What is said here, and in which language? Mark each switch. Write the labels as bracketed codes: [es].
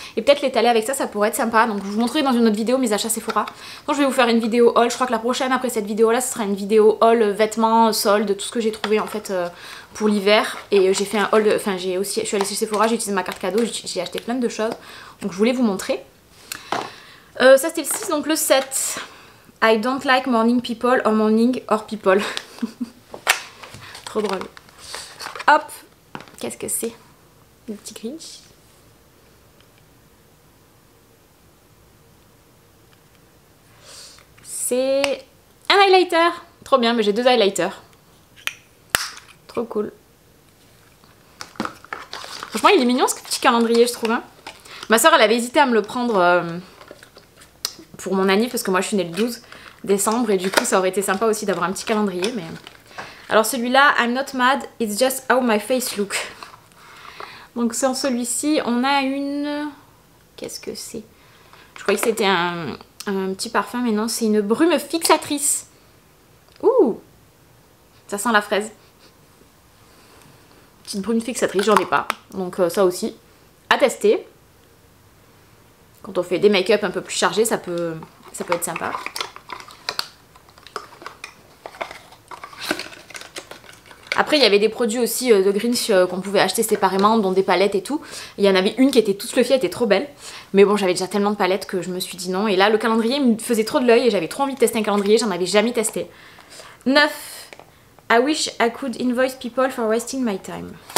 [fr] Et peut-être l'étaler avec ça, ça pourrait être sympa. Donc je vous montrerai dans une autre vidéo mes achats Sephora. Donc je vais vous faire une vidéo haul. Je crois que la prochaine, après cette vidéo-là, ce sera une vidéo haul vêtements, soldes, tout ce que j'ai trouvé en fait... pour l'hiver, et j'ai fait un haul, enfin j'ai aussi, je suis allée chez Sephora, j'ai utilisé ma carte cadeau, j'ai acheté plein de choses, donc je voulais vous montrer. Ça c'était le 6, donc le 7. [en] I don't like morning people or morning or people. [fr] Trop drôle. Hop, qu'est-ce que c'est? Le petit Grinch. C'est un highlighter. Trop bien, mais j'ai deux highlighters. Cool. Franchement il est mignon ce petit calendrier, je trouve, hein. Ma soeur elle avait hésité à me le prendre pour mon anniversaire parce que moi je suis née le 12 décembre, et du coup ça aurait été sympa aussi d'avoir un petit calendrier. Mais alors celui-là, [en] I'm not mad, it's just how my face look. [fr] Donc sur celui-ci on a une, qu'est-ce que c'est, je croyais que c'était un petit parfum, mais non, c'est une brume fixatrice. Ouh, ça sent la fraise. Petite brume fixatrice, j'en ai pas. Donc ça aussi, à tester. Quand on fait des make-up un peu plus chargés, ça peut être sympa. Après, il y avait des produits aussi de Grinch qu'on pouvait acheter séparément, dont des palettes et tout. Il y en avait une qui était toute fluffy, elle était trop belle. Mais bon, j'avais déjà tellement de palettes que je me suis dit non. Et là, le calendrier me faisait trop de l'œil et j'avais trop envie de tester un calendrier, j'en avais jamais testé. 9. [en] I wish I could invoice people for wasting my time.